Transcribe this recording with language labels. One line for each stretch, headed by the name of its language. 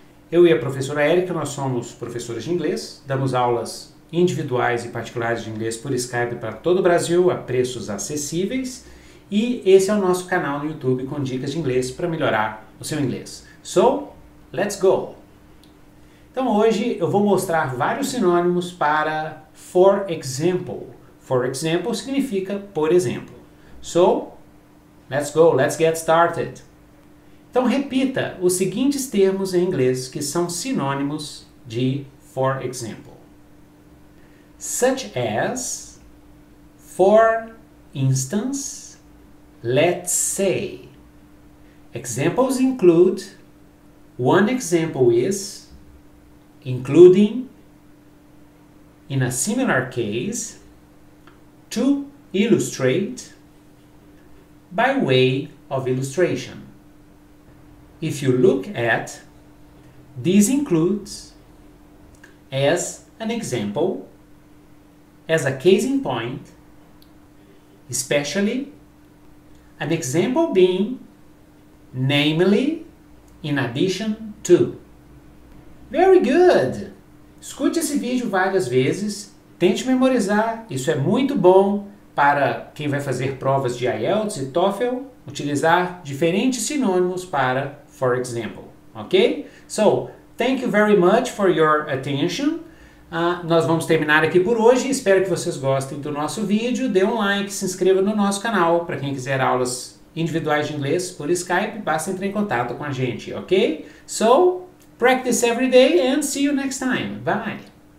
Portuguese: Eu e a professora Erika, nós somos professores de inglês, damos aulas individuais e particulares de inglês por Skype para todo o Brasil a preços acessíveis e esse é o nosso canal no YouTube com dicas de inglês para melhorar o seu inglês.
English: So, let's go!
Portuguese: Então hoje eu vou mostrar vários sinônimos para for example. For example significa por exemplo.
English: So, let's go, let's get started.
Portuguese: Então, repita os seguintes termos em inglês que são sinônimos de for example:
English: such as, for instance, let's say. Examples include: one example is, including, in a similar case, to illustrate. By way of illustration, if you look at, this includes as an example, as a case in point, especially an example being, namely, in addition to. Very good!
Portuguese: Escute esse vídeo várias vezes, tente memorizar, isso é muito bom. Para quem vai fazer provas de IELTS e TOEFL, utilizar diferentes sinônimos para for example, ok?
English: So, thank you very much for your attention.
Portuguese: Nós vamos terminar aqui por hoje. Espero que vocês gostem do nosso vídeo. Dê um like, se inscreva no nosso canal. Para quem quiser aulas individuais de inglês por Skype, basta entrar em contato com a gente, ok?
English: So, practice every day and see you next time. Bye!